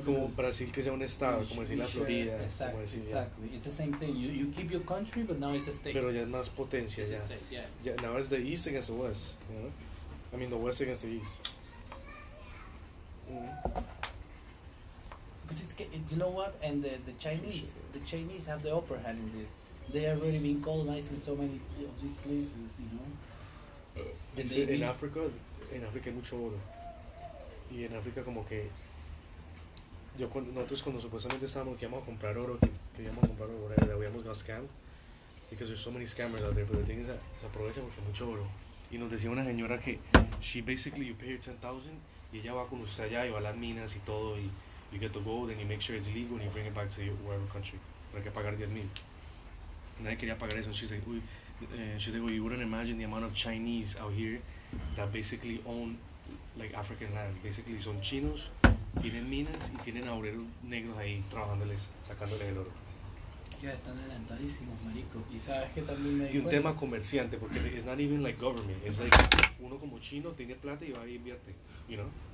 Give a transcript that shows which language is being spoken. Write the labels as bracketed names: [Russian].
[Spanish] como Brasil que sea un estado, como decir la Florida. [English] Exactly, [Spanish] como decir, [English] exactly. Yeah. It's the same thing. You keep your country, but now it's a state. [Spanish] Pero ya es más potencia, [English] it's [Spanish] ya. [English] State, yeah. Now it's the East against the West, you know? I mean, the West against the East. Because it's, you know what, and the Chinese have the upper hand in this. They are already been colonized in so many of these places, you know. In Africa, [Spanish] mucho oro. Y en África como que yo cuando nosotros cuando supuestamente estábamos que íbamos a comprar oro, que íbamos a comprar oro, [English] we almost got scammed because there's so many scammers out there. But the thing is, [Spanish] se aprovecha porque mucho oro. Y nos decía una señora que [English] she basically you pay her 10,000. [Spanish] Y ella va con usted allá y va a las minas y todo y [English] you get the gold and you make sure it's legal and you bring it back to your whatever country. [Spanish] Pero hay que pagar 10,000. Nadie quería pagar eso. [English] And she's like, you wouldn't imagine the amount of Chinese out here that basically own like African land. [Spanish] Basically son chinos, tienen minas y tienen obreros negros ahí trabajándoles, sacándoles el oro. Ya están adelantadísimos, marico. Y sabes que también me y un tema comerciante, porque [English] it's not even like government. It's like [Spanish] uno como chino tiene plata y va y invierte, [English] you know?